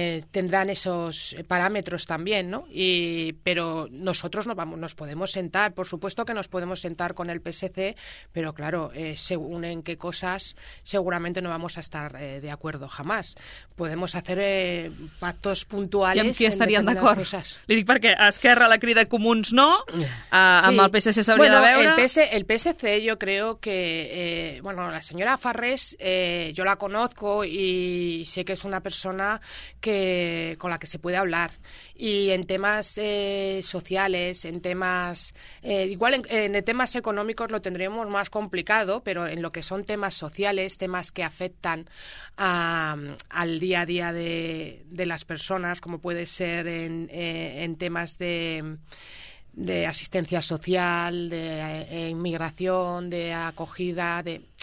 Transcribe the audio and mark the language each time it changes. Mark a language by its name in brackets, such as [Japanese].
[Spanish] tendrán esos parámetros también, ¿no? Pero nosotros nos podemos sentar, por supuesto que nos podemos sentar con el PSC, pero claro, según en qué cosas, seguramente no vamos a estar de acuerdo jamás. Podemos hacer pactos puntuales. [Catalan] I amb qui estarien d'acord? Li dic perquè Esquerra, la Crida, Comuns no, amb el PSC s'hauria de veure. El PSC, jo crec que... la senyora Farrés, jo la [Spanish] conozco [Catalan] i sé que és una persona... [Spanish] con la que se puede hablar. Y en temas sociales, en temas... igual en temas económicos lo tendremos más complicado, pero en lo que son temas sociales, temas que afectan al día a día de las personas, como puede ser en temas de asistencia social, de inmigración, de acogida, de...